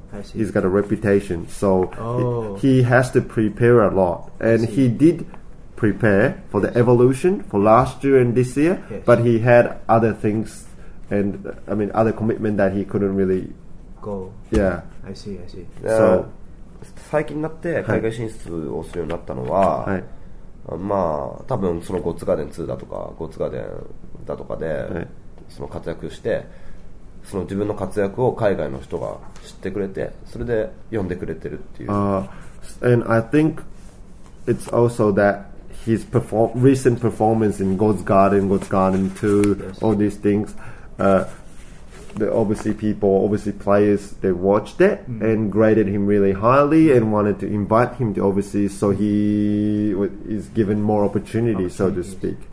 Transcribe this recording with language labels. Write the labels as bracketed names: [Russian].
[English] I see. He's got a reputation, so、 oh. he has to prepare a lot, and he did prepare for the、 yes. evolution for last year and this year、 yes. but he had other things and I mean other commitment that he couldn't really go. Yeah, I see. So [Japanese] 最近になって海外進出をするようになったのは、はい、まあ多分そのゴッツガーデン2だとかゴッツガーデンだとかで、はい、その活躍してその自分の活躍を海外の人が知ってくれてそれで呼んでくれてるっていう、 [English] And I think it's also that his recent performance in Gods Garden 2、 yes. all these things、the obviously people, obviously players, they watched it、 mm. and graded him really highly、mm. and wanted to invite him to overseas, so he is given more opportunity, so to speak.